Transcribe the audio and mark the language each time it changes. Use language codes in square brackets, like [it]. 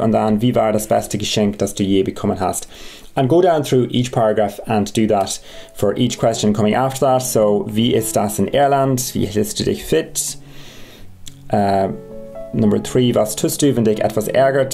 [de] Und dann, wie war das beste Geschenk, das du je bekommen hast? [en] And go down through each paragraph and do that for each question coming after that. [de] So, wie ist das in Irland? Wie hältst du dich fit? [en] Number three, [de] was tust du, wenn dich etwas ärgert?